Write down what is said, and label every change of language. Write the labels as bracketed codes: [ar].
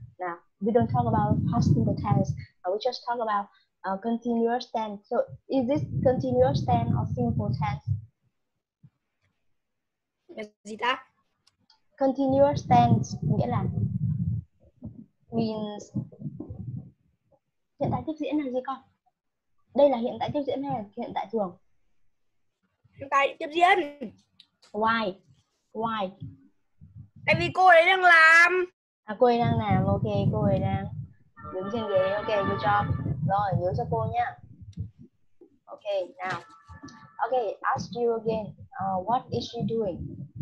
[en] Now we don't talk about past simple tense. We just talk about continuous tense. So is this continuous tense or simple tense? [vi] Gì ta? Continuous tense nghĩa là means hiện tại tiếp diễn là gì con? Đây là hiện tại tiếp diễn hay là hiện tại thường? Hiện tại tiếp diễn. [en] Why? [vi] Tại vì cô ấy đang làm. À, cô ấy đang làm, ok, cô ấy đang đứng trên ghế, ok, [en] good job. [vi] Rồi, nhớ cho cô nhá. [en] Ok, now. Ok, ask you again, what is she doing?